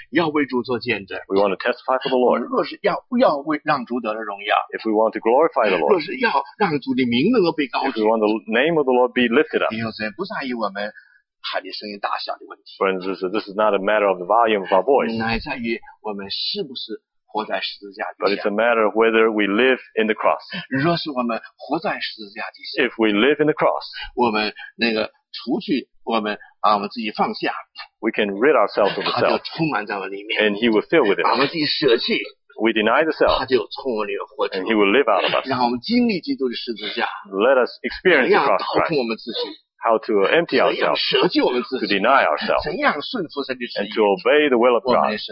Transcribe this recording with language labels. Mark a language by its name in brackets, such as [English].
[Chinese] 要为主做见证。 [English] We want to testify for the Lord。 [Chinese] 若是要为让主得了荣耀。 [English] If we want to glorify the Lord。 [Chinese] 若是要让主的名能够被高举。 [English] If we want the name of the Lord be lifted up。 [Chinese] 弟兄姊妹，不在于我们。喊的声音大小的问题。 [English] Friends, this is not a matter of the volume of our voice. [Chinese] 乃在于我们是不是活在十字架底下。 [English] But it's a matter of whether we live in the cross. [Chinese] 若是我们活在十字架底下。 [English] If we live in the cross. [Chinese] 我们那个除去我们自己放下。 [English] We can rid ourselves of the self. [Chinese] 他就充满在我里面。 [English] And he will fill with it. [Chinese] 把我们自己舍弃。 [English] We deny the self. [Chinese] 他就从我里面活出。 [English] And he will live out of us. [Chinese] 让我们经历基督的十字架。 [English] Let us experience the cross. [Chinese] 怎样掏空我们自己。 [English] How to empty ourselves, [Chinese] 怎样舍弃我们自己 [English] to deny ourselves, [Chinese] 怎样顺服神的旨意 [English] and to obey the will of God.